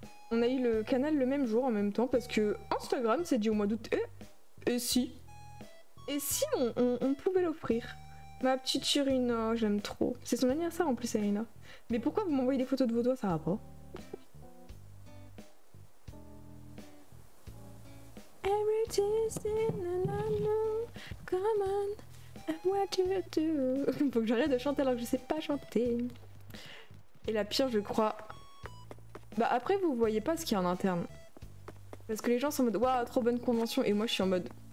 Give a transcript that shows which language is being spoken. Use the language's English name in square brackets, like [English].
[French] On a eu le canal le même jour en même temps parce que Instagram s'est dit au mois d'août. Et si on pouvait l'offrir. Ma petite Irina, j'aime trop. C'est son anniversaire en plus, Irina. Mais pourquoi vous m'envoyez des photos de vos doigts, ça va pas. [English] Every Tuesday, nanana, come on, what you do. [French] Faut que j'arrête de chanter alors que je sais pas chanter. Et la pire, je crois. Bah après, vous voyez pas ce qu'il y a en interne. Parce que les gens sont en mode, waouh, trop bonne convention. Et moi, je suis en mode.